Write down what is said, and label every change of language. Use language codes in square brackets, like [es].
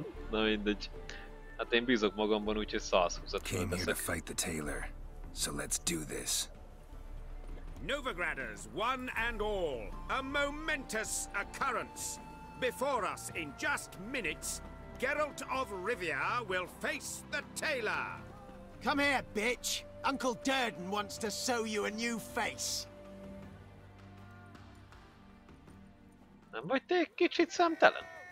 [hu] Na mindegy. Hát én bízok magamban, úgyhogy 120-at fölteszek. [en] Came here to fight the tailor, so let's do this. Novigraders, one and all, a momentous occurrence. Before us, in just minutes, Geralt of Rivia will face the tailor. Come here, bitch. Uncle Durden wants to sew you a new face. [hu] Nem vagy te kicsit számtelen?